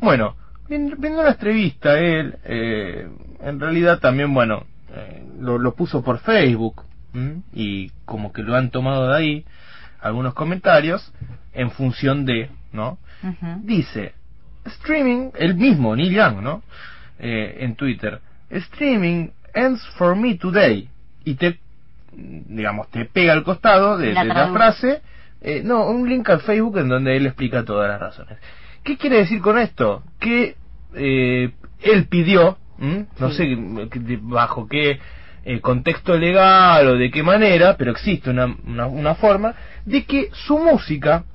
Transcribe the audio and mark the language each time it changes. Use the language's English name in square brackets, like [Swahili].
[Spanish] Bueno, viendo la entrevista, él, en realidad también, bueno, lo puso por Facebook, y como que lo han tomado de ahí algunos comentarios en función de, ¿no? Uh-huh. Dice, streaming, el mismo Neil Young, ¿no? En Twitter, [English] streaming ends for me today. [Spanish] Y te, digamos, te pega al costado de la frase, no, un link al Facebook en donde él explica todas las razones. ¿Qué quiere decir con esto? Que él pidió, no, sí, sé bajo qué contexto legal o de qué manera, pero existe una forma de que su música,